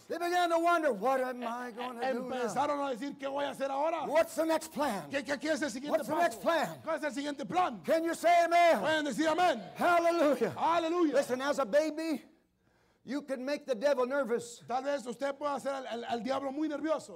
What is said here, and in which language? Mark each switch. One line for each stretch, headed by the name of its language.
English: They began to wonder, what am I going to do now?
Spanish: Empezaron a decir, ¿qué voy a hacer ahora?
English: What's the next plan?
Spanish: ¿Qué es el siguiente
English: What's
Spanish: paso?
English: The next plan?
Spanish: ¿Cuál es el siguiente plan?
English: Can you say amen?
Spanish: ¿Pueden decir amen?
English: Hallelujah.
Spanish: Hallelujah.
English: Listen, as a baby, you can make the devil nervous.
Spanish: Tal vez usted pueda hacer al diablo muy nervioso.